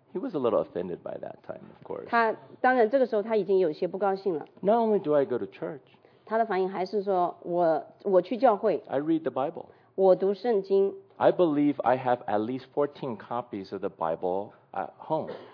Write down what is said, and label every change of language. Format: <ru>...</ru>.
<en>He was a little offended by that time, of course.</en> <zh>他当然这个时候他已经有些不高兴了。</zh> <en>Not only do I go to church.</en> <zh>他的反应还是说我去教会。</zh> <en>I read the Bible.</en> <zh>我读圣经。</zh> <en>I believe I have at least 14 copies of the Bible at home.</en>